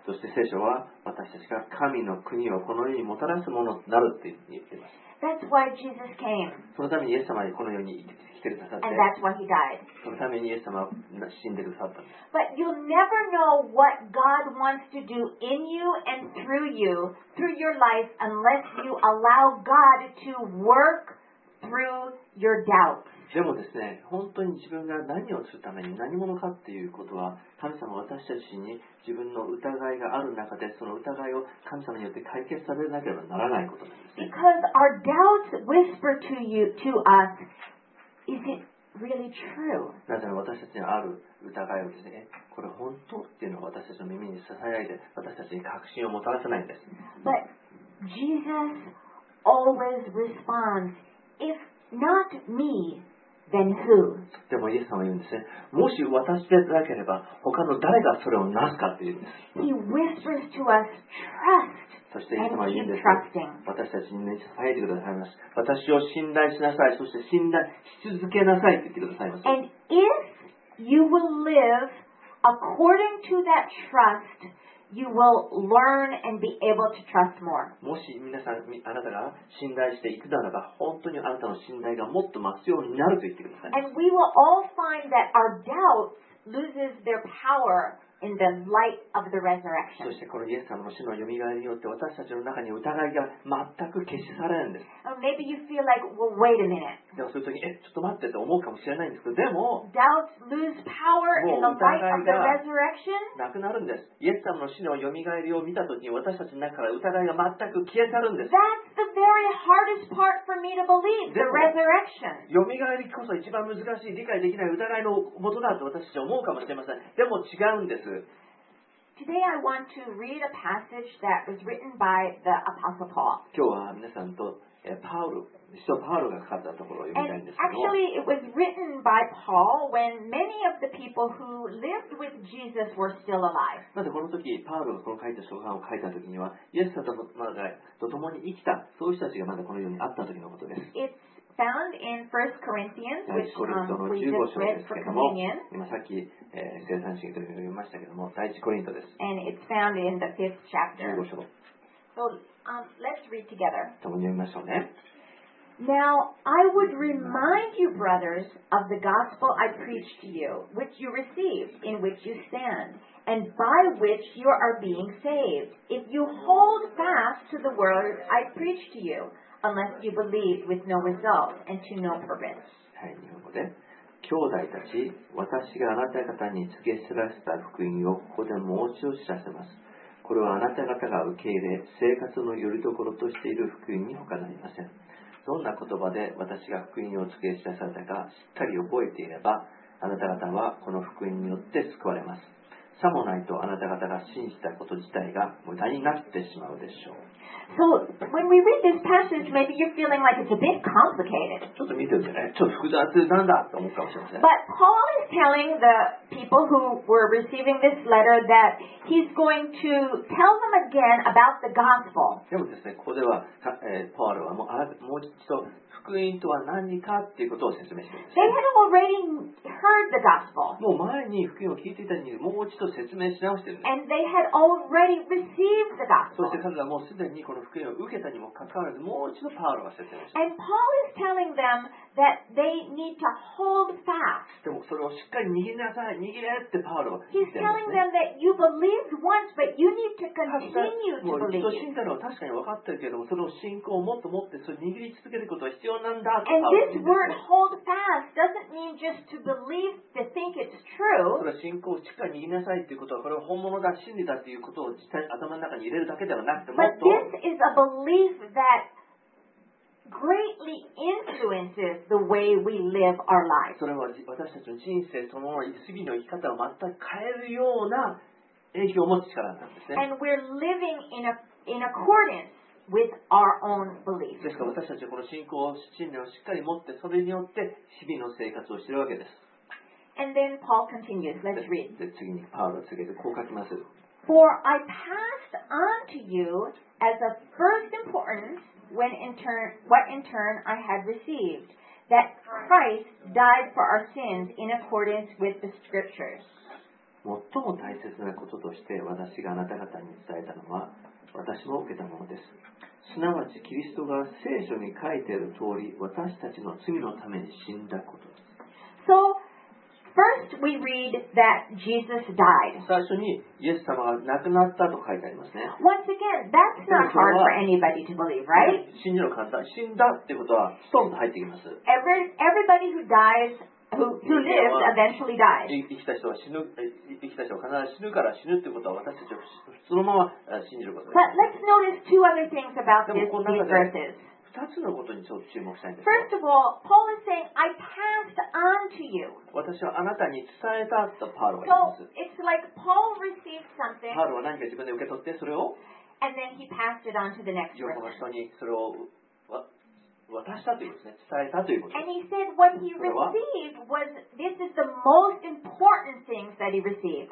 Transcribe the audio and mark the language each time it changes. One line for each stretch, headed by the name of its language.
Japanese: そして聖書は私たちが神の国をこの世にもたらすものになるって言っています。
English: That's why Jesus came.
Japanese: そのためにイエス様はこの世に来てくださって。
English: And that's why he died.
Japanese: そのためにイエス様は死んでくださったんです。
English: But you'll never know what God wants to do in you and through you, through your life, unless you allow God to work through your doubts.
Japanese: でもですね、本当に自分が何をするために何者かっていうことは、神様は私たちに自分の疑いがある中で、その疑いを神様によって解決されなければならないことなんですね。
English: Because our doubts whisper to you, to us, is it really true?
Japanese: なぜなら私たちにある疑いをですね、これ本当っていうのを私たちの耳に囁いて、私たちに確信をもたらせないんです。
English: But Jesus always responds, if not me,Then who?
Japanese: でもイエス様は言うんですね。もし私でなければ他の誰がそれをなすかって言うんです。
English: He whispers to us, trust.
Japanese: そしてイエス様は言うんです。私たちにね、支えてくださいます。私を信頼しなさい。そして信頼し続けなさいって言ってくださいます。
English: And if you will live according to that trust, you will learn and be able to trust more.
Japanese: もし皆さん、あなたが信頼していくならば、本当にあなたの信頼がもっと増すようになると言ってください。
English: And we will all find that our doubts loses their power in the light of the resurrection.
Japanese: そしてこのイエス様の死の蘇りによって、私たちの中に疑いが全く消し去られるんです。
English: Or maybe you feel like, well, wait a minute.
Japanese: でもそういう時に、ちょっと待ってって思うかもしれないんですけど、でも、
English: doubts lose power in the light of the resurrection.
Japanese: なくなるんです。イエス様の死の蘇りを見た時に、私たちの中から疑いが全く消え去るんです。
English: That's the very hardest part for me to believe, the resurrection.
Japanese: 蘇りこそ一番難しい、理解できない疑いのもとだと私たち思うかもしれません。でも違うんです。
English: Today I want to read a passage that was written by the Apostle Paul.
Japanese: 今日は皆さんと、パウル、使徒パウルが書かれたところを読みたいんですけど。
English: And actually, it was written by Paul when many of the people who lived with Jesus were still alive.
Japanese: なぜこの時パウルがこの書いた書簡を書いた時には、イエス様と共に生きたそういう人たちがまだこの世にあった時のことです。
English: It's found in 1 Corinthians, which we just read for communion.
Japanese: 今さっき聖餐式というのを読みましたけども、第一コリントです。
English: And it's found in the 5th chapter.
Japanese: 15章。
English: So, let's read together.
Japanese: 共に読みましょうね。
English: Now, I would remind you, brothers, of the gospel I preached to you, which you received, in which you stand, and by which you are being saved. If you hold fast to the word I preached to you, unless you believe with no result and to no purpose.
Japanese: はい、日本語で。兄弟たち、私があなた方に告げ知らせた福音をここでもう一度知らせます。これはあなた方が受け入れ、生活のよりどころとしている福音に他なりません。どんな言葉で私が福音を告げ知らされたかしっかり覚えていれば、あなた方はこの福音によって救われます。さもないとあなた方が信じたこと自体が無駄になってしまうでしょう。
English: So when we read this passage, maybe you're feeling like it's a bit complicated.
Japanese: ちょっと見てるんじゃない？ちょっと複雑なんだと思うかもしれません。
English: But Paul is telling the people who were receiving this letter that he's going to tell them again about the gospel.
Japanese: でもですね、ここでは、パールはもう一度福音とは何かっていうことを説明しています。
English: They had already heard the gospel.
Japanese: もう前に福音を聞いていたのにもう一度説明し直してるんです。
English: And they had already received the gospel.
Japanese: そして彼らはもうすでにこの福音を受けたにもかかわらずもう一度パールは説明します。
English: And Paul is telling them that they need to hold fast.
Japanese: でもそれをしっかり握りなさい、握れってパールは言ってます、ね。
English: He's telling them that you believed once, but you need to continue to believe.
Japanese: もう一度信じたのは確かに分かってるけれども、その信仰をもっと持ってそれを握り続けることは必要なんだと。
English: And this word hold fast doesn't mean just to believe to think it's true.
Japanese: それは信仰をしっかり握りなさいということは、これは本物だ、真理だということを実際頭の中に入れるだけではなくて、もっと。
English: This is a belief that greatly influences the way we live our lives.
Japanese: それは私たちの人生そのまま次の生き方を全く変えるような影響を持つ力なんですね。
English: And we're living in accordance with our own beliefs.
Japanese: ですから私たちはこの信仰を信念をしっかり持ってそれによって日々の生活をしているわけです。
English: And then Paul continues. Let's read.
Japanese: で次にパウロ続けてこう書きます。
English: For I passed on to you as of first importance what in turn I had received, that Christ died for our sins in accordance with the Scriptures.
Japanese: 最も大切なこととして私があなた方に伝えたのは私も受けたものです。すなわちキリストが聖書に書いている通り私たちの罪のために死んだことです。
English: So,First, we read that Jesus died.
Japanese: 最初にイエス様が亡くなったと書いてありますね。
English: Once again, that's not hard for anybody to believe, right?
Japanese: 信じるの簡単。死んだってことはストンと入ってきます。
English: Everybody who dies, who lives, eventually dies.
Japanese: 生きた人は必ず死ぬから死ぬってことは私たちはそのまま信じることです。
English: But let's notice two other things about these verses.
Japanese: 2つのことにちょっと注目したいんです。
English: First of all, Paul is saying, I passed on to you.
Japanese: 私はあなたに伝えたとパウロは言います。
English: So, it's like Paul received something.
Japanese: パウロは何か自分で受け取ってそれを
English: And then he passed it on to the next person.
Japanese: 横の人にそれを渡したというですね。伝えたということです。
English: And he said what he received was, this is the most important things that he received.